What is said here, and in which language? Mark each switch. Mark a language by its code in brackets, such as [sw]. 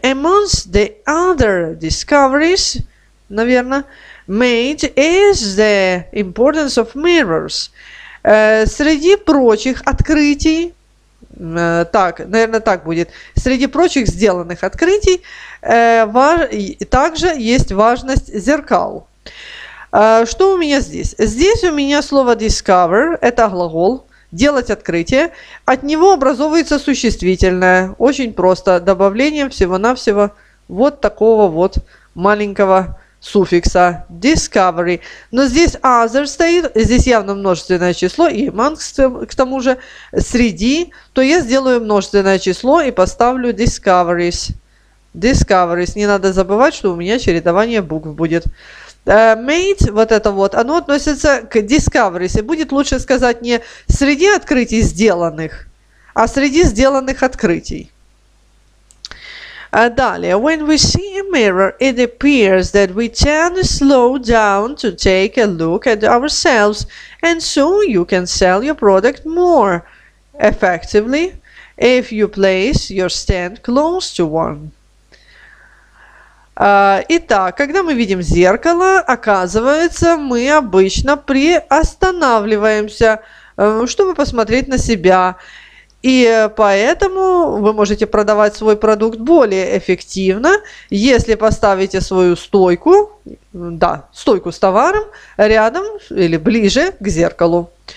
[en] Amongst the other discoveries, [ru] наверное, [en] made is the importance of mirrors. [ru] Среди прочих открытий, среди прочих сделанных открытий также есть важность зеркал. Что у меня здесь? Здесь у меня слово discover, это глагол, делать открытие. От него образовывается существительное, очень просто, добавлением всего-навсего вот такого вот маленького суффикса discovery. Но здесь other стоит, здесь явно множественное число, и among, к тому же, среди, то я сделаю множественное число и поставлю discoveries. [en] Discoveries. [ru] Не надо забывать, что у меня чередование букв будет. Made, вот это вот, оно относится к discoveries. И будет лучше сказать не среди открытий сделанных, а среди сделанных открытий. Далее. [en] When we see a mirror, it appears that we tend to slow down to take a look at ourselves. And so you can sell your product more effectively if you place your stand close to one. [ru] Итак, когда мы видим зеркало, оказывается, мы обычно приостанавливаемся, чтобы посмотреть на себя. И поэтому вы можете продавать свой продукт более эффективно, если поставите свою стойку, да, стойку с товаром рядом или ближе к зеркалу.